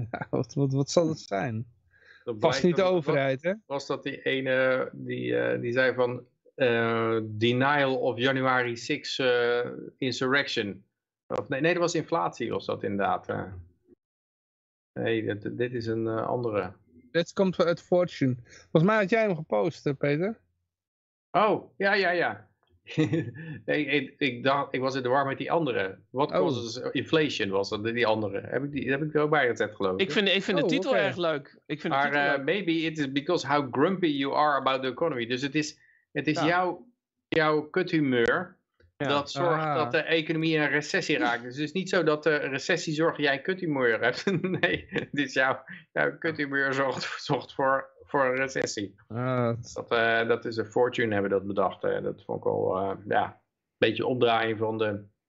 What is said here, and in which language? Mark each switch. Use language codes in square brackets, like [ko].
[nl] Wat zal het zijn? Dat past niet de overheid, hè? Was dat die ene die zei van [en] denial of January 6 insurrection. [nl] Of, nee, dat was inflatie, was dat inderdaad. Nee, dit is een andere. Dit komt uit Fortune. Volgens mij had jij hem gepost, Peter. Oh, ja, ja, ja. Nee, ik was in de war met die andere. [en] What causes inflation [nl] was dat, die andere. Heb ik er ook bij gezet, geloof ik. Ik vind de titel erg leuk. Ik vind maar de titel leuk. [en] Maybe it is because how grumpy you are about the economy. [nl] Dus het is jouw kuthumeur. Ja. Dat zorgt dat de economie in een recessie raakt. Dus het is niet zo dat de recessie zorgt dat jij een kuthumeur hebt. Nee, dus jouw kuthumeur zorgt voor een recessie. Dat is een Fortune, hebben dat bedacht. Dat vond ik al een beetje opdraaien van de...